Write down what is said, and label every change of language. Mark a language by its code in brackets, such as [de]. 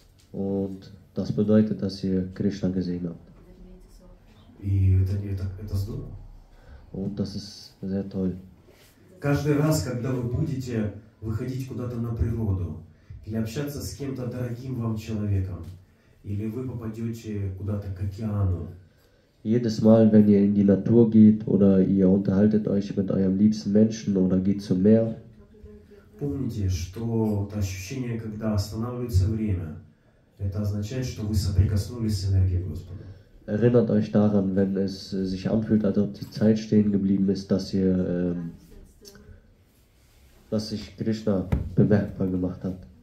[de] Und das bedeutet, dass ihr Krishna gesehen habt. Und das ist sehr toll. [ru] Каждый раз, когда вы будете выходить куда-то на природу или общаться с кем-то дорогим вам человеком, или вы попадете куда-то к океану. [de] Jedes Mal, wenn ihr in die Natur geht oder ihr unterhaltet euch mit eurem liebsten Menschen oder geht zum Meer. [ru] Помните, что ощущение, когда останавливается время, это означает, что вы соприкоснулись с энергией Господа. [de] Erinnert euch daran, wenn es sich anfühlt, als ob die Zeit stehen geblieben ist, dass ihr dass sich Krishna bemerkbar gemacht hat.